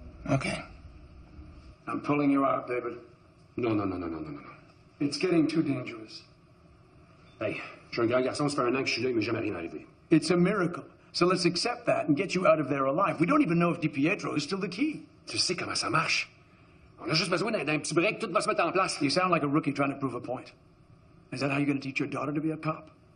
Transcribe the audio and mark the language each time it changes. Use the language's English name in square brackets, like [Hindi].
[English] Okay. I'm pulling you out, David. No. It's getting too dangerous. [French] Hey, je suis un grand garçon, ça fait un an que je suis là, il m'est jamais rien arrivé. [English] It's a miracle. So let's accept that and get you out of there alive. We don't even know if DiPietro is still the key. [French] Tu sais comment ça marche. On a juste besoin d'un petit break, tout va se mettre en place. [English] You sound like a rookie trying to prove a point. Is that how you're going to teach your daughter to be a cop?